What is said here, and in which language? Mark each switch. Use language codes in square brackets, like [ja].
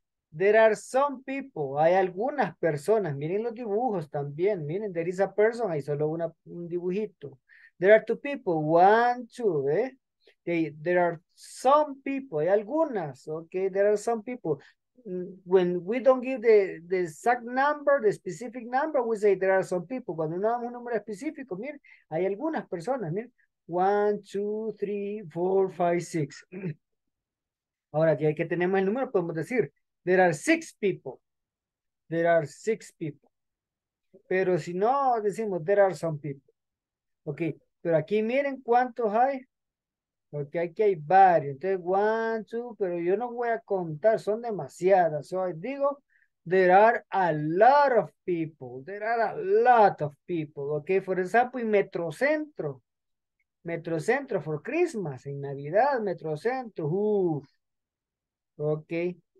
[en] There are some people, [es] hay algunas personas. Miren los dibujos también, miren, [en] there is a person, [es] hay solo una, un dibujito. [en] There are two people, one, two, eh. Okay, there are some people, [es] hay algunas, [en] okay, there are some people. When we don't give the exact number, the specific number, we say there are some people. [es] Cuando no damos un número específico, miren, hay algunas personas, miren. [en] One, two, three, four, five, six. [es] Ahora, ya que tenemos el número, podemos decir, [en] there are six people. There are six people. [es] Pero si no, decimos, [en] there are some people. [es] Okay, pero aquí miren cuántos hay. Porque aquí hay varios. Entonces, [en] one, two, [es] pero yo no voy a contar. Son demasiadas. [en] So, [es] digo, [en] there are a lot of people. There are a lot of people. Okay, for example, in Metrocentro. Metrocentro for Christmas. [es] En Navidad, [en] Metrocentro. Uf. Okay.